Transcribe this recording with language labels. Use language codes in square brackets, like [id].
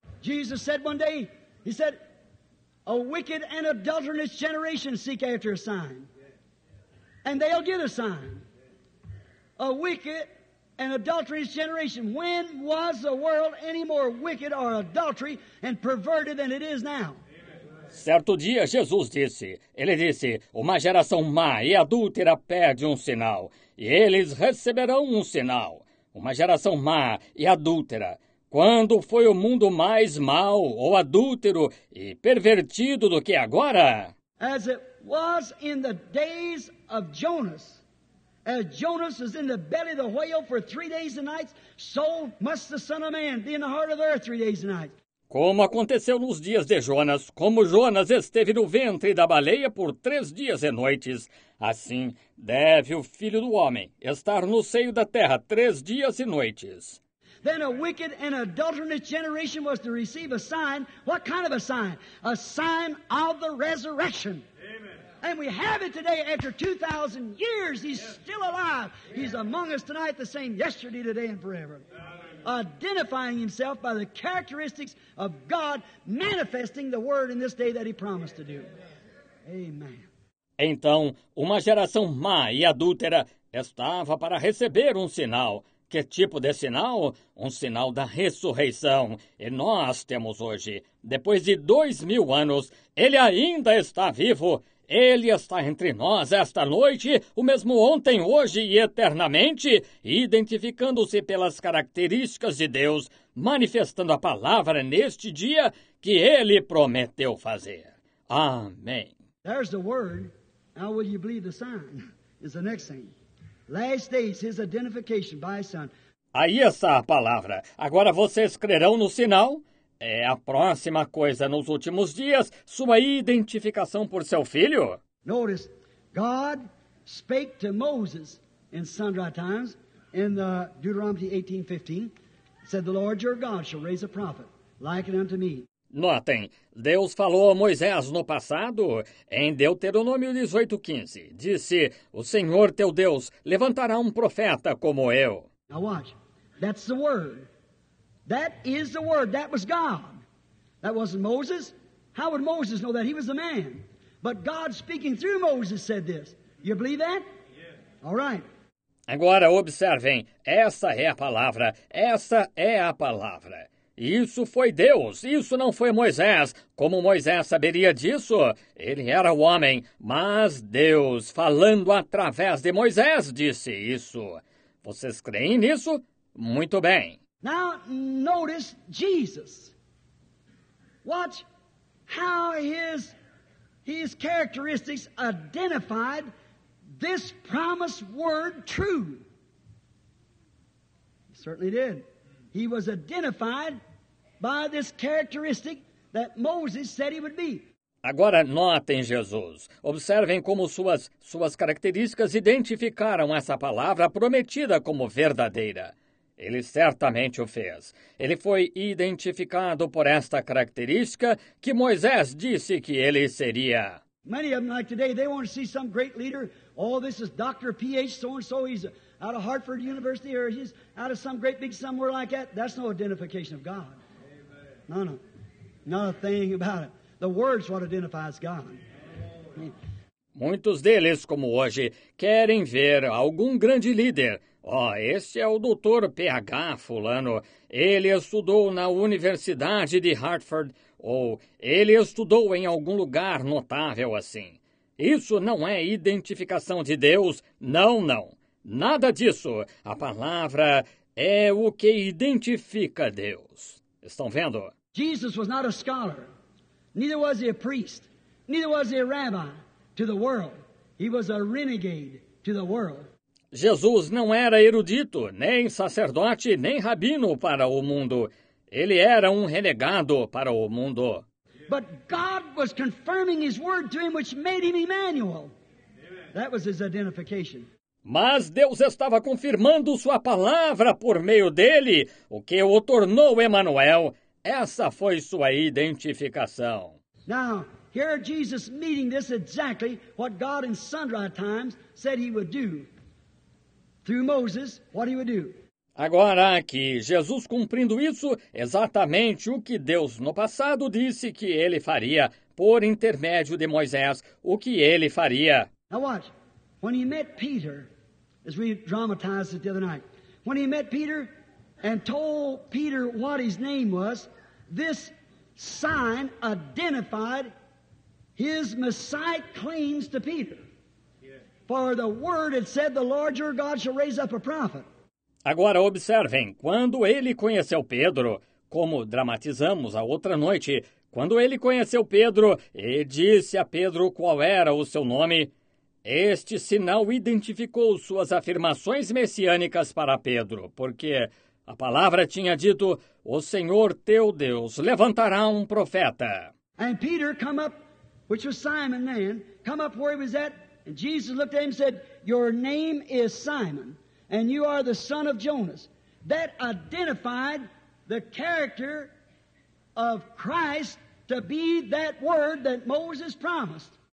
[en] Jesus said one day, he said, a wicked and adulterous generation seek after a sign, and they'll get a sign. A wicked and adulterous generation. When was the world any more wicked or adultery and perverted than it is now? [pt] Certo dia, Jesus disse, uma geração má e adúltera pede um sinal, e eles receberão um sinal. Uma geração má e adúltera. Quando foi o mundo mais mau ou adúltero e pervertido do que agora? [en] As it was in the days of Jonas. As Jonas was in the belly of the whale for 3 days and nights, so must the Son of Man be in the heart of the earth 3 days and nights. [pt] Como aconteceu nos dias de Jonas, como Jonas esteve no ventre da baleia por 3 dias e noites, assim deve o Filho do Homem estar no seio da terra 3 dias e noites. [en] Then a wicked and adulterous generation was to receive a sign. What kind of a sign? A sign of the resurrection. And we have it today after 2,000 years. He's still alive. He's among us tonight, the same yesterday, today, and forever. Identifying himself by the characteristics of God, manifesting the word in this day that he promised to do. Amen. [pt] Então, uma geração má e adúltera estava para receber um sinal. Que tipo de sinal? Um sinal da ressurreição. E nós temos hoje, depois de 2,000 anos, ele ainda está vivo. Ele está entre nós esta noite, o mesmo ontem, hoje e eternamente, identificando-se pelas características de Deus, manifestando a palavra neste dia que ele prometeu fazer. Amém. [en] There's the word. How will you believe the sign? Is the next thing. Last days, his identification by his son. [pt] Aí está a palavra. Agora vocês crerão no sinal? É a próxima coisa nos últimos dias, sua identificação por seu filho. [en] Notice, God spake to Moses in sundry times, in the Deuteronomy 18:15, said, the Lord your God shall raise a prophet like it unto me. [pt] Notem, Deus falou a Moisés no passado, em Deuteronômio 18:15, disse, o Senhor teu Deus levantará um profeta como eu. [en] Now watch, that's the word. That is the word. That was God. That wasn't Moses. How would Moses know that? He was a man. But God speaking through Moses said this. You believe that? Yeah. All right. [pt] Agora observem. Essa é a palavra. Essa é a palavra. Isso foi Deus. Isso não foi Moisés. Como Moisés saberia disso? Ele era o homem. Mas Deus, falando através de Moisés, disse isso. Vocês creem nisso? Muito bem. [en] Now, notice Jesus. Watch how his characteristics identified this promised word true. He certainly did. He was identified by this characteristic that Moses said he would be. [pt] Agora, notem Jesus. Observem como suas características identificaram essa palavra prometida como verdadeira. Ele certamente o fez. Ele foi identificado por esta característica que Moisés disse que ele seria. [en] Many of them, like today, they want to see some great leader. Oh, this is Dr. P.H. so-and-so. He's out of Hartford University, or he's out of some great big somewhere like that. That's no identification of God. Amen. No, no. Not a thing about it. The word's what identifies God. [pt] Muitos deles, como hoje, querem ver algum grande líder. Este é o Dr. PH fulano. Ele estudou na Universidade de Hartford, ou ele estudou em algum lugar notável assim. Isso não é identificação de Deus, não. Nada disso. A palavra é o que identifica Deus. Estão vendo? [en] Jesus was not a scholar, neither was he a priest, neither was he a rabbi to the world. He was a renegade to the world. [pt] Jesus não era erudito, nem sacerdote, nem rabino para o mundo. Ele era um renegado para o mundo. [en] But God was confirming his word to him, which made him Emmanuel. That was his identification. [pt] Mas Deus estava confirmando sua palavra por meio dele, o que o tornou Emmanuel. Essa foi sua identificação. [en] Now, here Jesus meeting this exactly what God in sundry times said he would do. Through Moses, what he would do. [pt] Agora aqui, Jesus cumprindo isso, exatamente o que Deus no passado disse que ele faria por intermédio de Moisés, o que ele faria. [en] Now watch. When he met Peter, as we dramatized it the other night, when he met Peter and told Peter what his name was, this sign identified his Messiah claims to Peter. For the word had said, the Lord your God shall raise up a prophet. [pt] Agora observem, quando ele conheceu Pedro, como dramatizamos a outra noite, quando ele conheceu Pedro e disse a Pedro qual era o seu nome, este sinal identificou suas afirmações messiânicas para Pedro, porque a palavra tinha dito, o Senhor teu Deus levantará um profeta. [en] And Peter come up, which was Simon then, come up where he was at, and Jesus looked at him and said, your name is Simon, and you are the son of Jonas. That identified the character of Christ to be that word that Moses promised.